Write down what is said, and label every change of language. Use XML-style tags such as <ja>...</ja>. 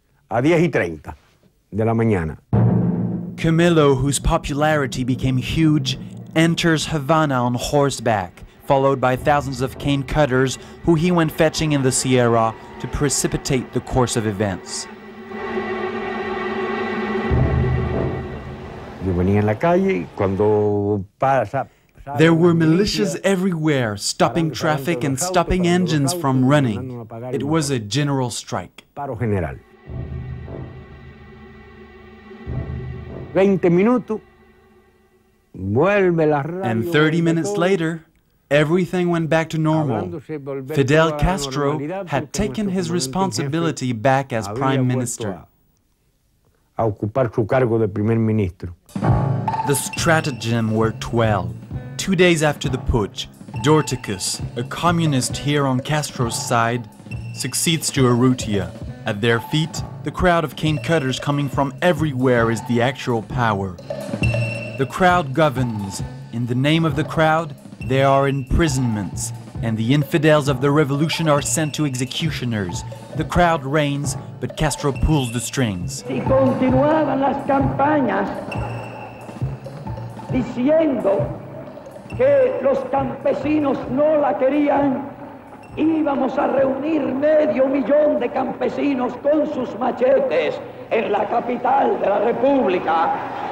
<es>A 10:30 de la mañana.</es> <en>Camilo, whose popularity became huge, enters Havana on horseback, followed by thousands of cane cutters who he went fetching in the Sierra to precipitate the course of events.</en> <es>Yo venía en la calle y cuando pasa.</es> <en>There were militias everywhere, stopping traffic and stopping engines from running. It was a general strike.</en> <es>Paro general. 20 minutos, vuelve la radio.</es> <en>And 30 minutes later, everything went back to normal. Fidel Castro had taken his responsibility back as prime minister.</en> <es>A ocupar su cargo de primer ministro.</es> <en>The stratagem worked well. 2 days after the putsch, Dorticus, a communist here on Castro's side, succeeds to Urrutia. At their feet, the crowd of cane cutters coming from everywhere is the actual power. The crowd governs. In the name of the crowd, there are imprisonments, and the infidels of the revolution are sent to executioners. The crowd reigns, but Castro pulls the strings.</en> <es>Si continuaban las campañas diciendo que los campesinos no la querían, íbamos a reunir medio millón de campesinos con sus machetes en la capital de la República.</es>